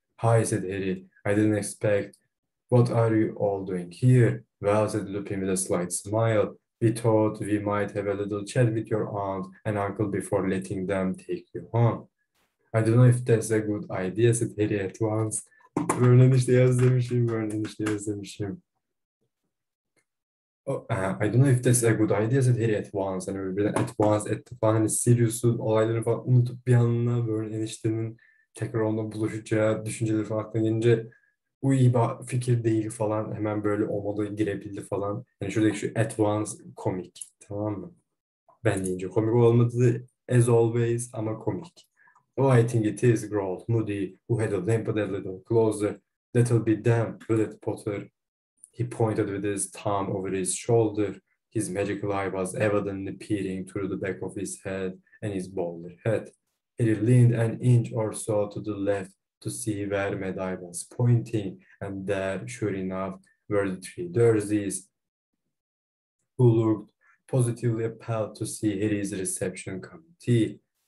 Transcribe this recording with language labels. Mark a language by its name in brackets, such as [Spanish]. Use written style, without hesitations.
[English] Hi, said Harry, I didn't expect. What are you all doing here? Well, said Lupin with a slight smile. We thought we might have a little chat with your aunt and uncle before letting them take you home. I don't know if that's a good idea, said Harry at once. [Turkish] Vernon işte yaz demişim, Vernon işte yaz demişim. [English] I don't know if that's a good idea, said Harry at once. [Turkish] Hani böyle [English] at once, at the final, [Turkish] Sirius'un olayları falan unutup bir anına Vernon eniştenin tekrar onunla buluşacağı düşünceleri falan aklına gelince bu iyi bir fikir değil falan, hemen böyle o moda girebildi falan. Hani şuradaki şu [English] at once [Turkish] komik, tamam mı? Ben deyince komik olmadı [English] as always [Turkish] ama komik. [English] Oh, I think it is, growled Moody, who had a limp a little closer. That'll be them, will it, Potter? He pointed with his thumb over his shoulder. His magical eye was evidently peering through the back of his head and his bowler head. He leaned an inch or so to the left to see where Mad-Eye was pointing, and there, sure enough, were the three Dursleys, who looked positively appalled to see Harry's reception committee.